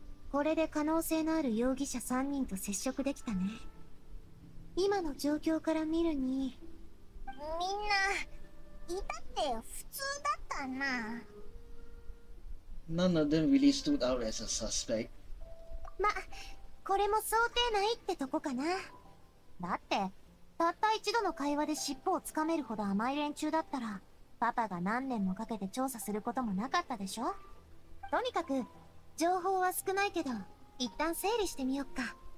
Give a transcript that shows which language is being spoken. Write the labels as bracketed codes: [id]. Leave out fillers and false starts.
[ja] これで可能性のある容疑者3人と接触できたね。今の状況から見るに、みんな、いたって普通だったな。 [en] None of them really stood out as a suspect. [ja] ま、これも想定内ってとこかな。だって、たった一度の会話で尻尾をつかめるほど甘い連中だったら、パパが何年もかけて調査することもなかったでしょ。とにかく、情報は少ないけど、一旦整理してみよっか。